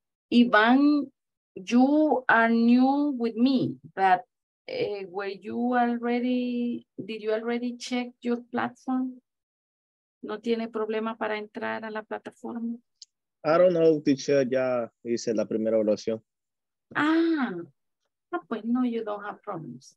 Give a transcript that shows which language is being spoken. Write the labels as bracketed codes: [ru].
[en] Iván, you are new with me, but were you already, did you already check your platform? [es] ¿No tiene problema para entrar a la plataforma? [en] I don't know, teacher, [es] ya hice la primera evaluación. Ah, no, pues no, [en] you don't have problems.